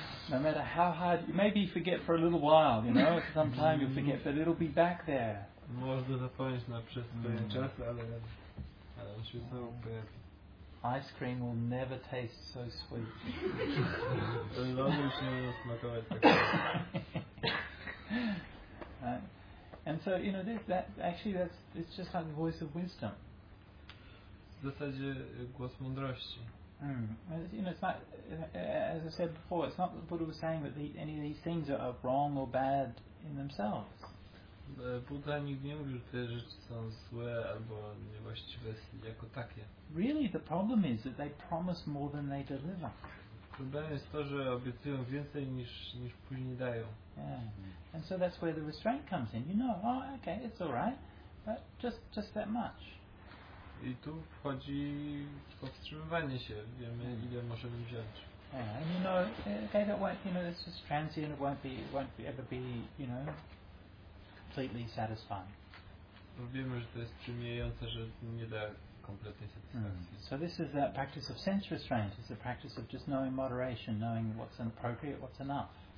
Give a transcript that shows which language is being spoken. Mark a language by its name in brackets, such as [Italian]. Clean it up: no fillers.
[English] No matter how hard, maybe you forget for a little while, you know, sometime you'll forget, but it'll be back there. [Polish] Można zapomnieć na przez pewien czas, ale on się znowu pojawi. [English] Ice cream will never taste so sweet. [Polish] Ten lody już nie będą smakować tak. [English] And so, you know, it's just like the voice of wisdom. [Polish] W zasadzie głos mądrości. [English] You know, it's not, as I said before, it's not that the Buddha was saying that any of these things are wrong or bad in themselves. [Polish] Buddha nigdy nie mówił, że te rzeczy są złe albo niewłaściwe jako takie. [English] Really, the problem is that they promise more than they deliver. [Polish] Problem jest to, że obiecują więcej niż później dają. [English] Yeah. And so that's where the restraint comes in. You know, oh, okay, it's all right, but just that much. [Polish] I tu wchodzi powstrzymywanie się. Wiemy, ile możemy wziąć. [English] Yeah, and you know, okay, that won't, you know, it's just transient. It won't be ever be, you know, completely satisfying. [Polish] No, wiemy, że to jest przemijające, że nie da kompletnej satysfakcji. [English] So this is that practice of sense restraint. It's the practice of just knowing moderation, knowing what's appropriate, what's enough.